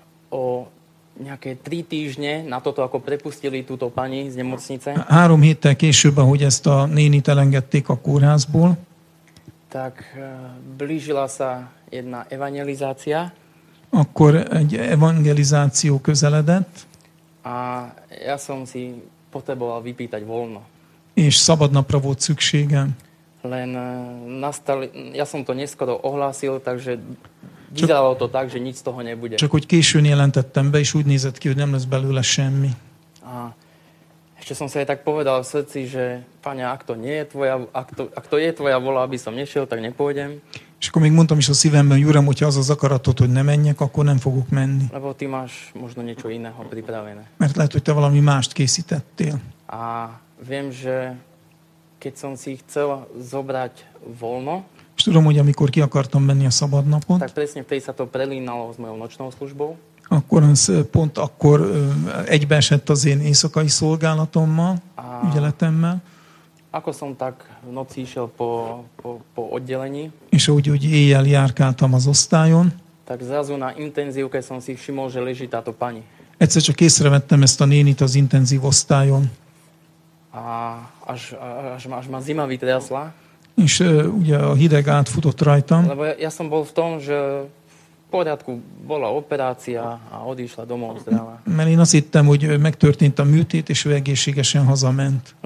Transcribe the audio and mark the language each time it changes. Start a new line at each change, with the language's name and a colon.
Slovak: O nejaké 3 týždne na toto, ako prepustili túto pani z nemocnice.
Hungarian: 3 héttel később, ahogy ezt a nénit elengedték a kórházból.
Slovak: Tak blížila sa jedna evangelizácia.
Hungarian: Akkor egy evangelizáció közeledett.
Slovak: A ja som si potreboval vypýtať voľno.
Hungarian: És szabad napra volt szükségem.
Slovak: Len ja som to neskoro ohlásil, takže vyzeralo to tak, že nic z toho nebude.
Hungarian: Csak úgy későn jelentettem be, és úgy nézett ki, hogy nem lesz belőle semmi.
Slovak: A ešte som sa aj tak povedal v srdci, že Pane, ak to je tvoja vola, aby som nešiel, tak nepôjdem.
Hungarian: És akkor még mondtam is a szívemben, hogy Uram, hogyha az az akaratod, hogy ne menjek, akkor nem fogok menni.
Slovak: Lebo ty máš možno niečo iného pripravené.
Hungarian: Mert lehet, hogy te valami mást készítettél.
Slovak: A viem, že keď som si chcel zobrať voľno.
Hungarian: És tudom, hogy amikor ki akartam menni a szabadnapot.
Slovak: Tak presne vtedy sa to prelínalo s mojou nočnou službou.
Hungarian: Akkor az pont akkor egybeesett az én éjszakai szolgálatommal, ügyeletemmel.
Slovak: Ako som tak v noci išiel po oddelení.
Hungarian: És úgy éjjel járkáltam az osztályon.
Slovak: Tak zrazu na intenzívke som si všimol, že leží táto pani.
Hungarian: Egyszer csak észrevettem ezt a nénit az intenzív osztályon.
Slovak: Až ma zima vytriasla.
Hungarian: És ugye a hideg átfutott rajtam.
Slovak: Lebo ja som bol v tom, že v poriadku bola operácia a odišla domov zdravá.
Hungarian: Mert én azt hittem, hogy megtörtént a műtét, és ő egészségesen hazament.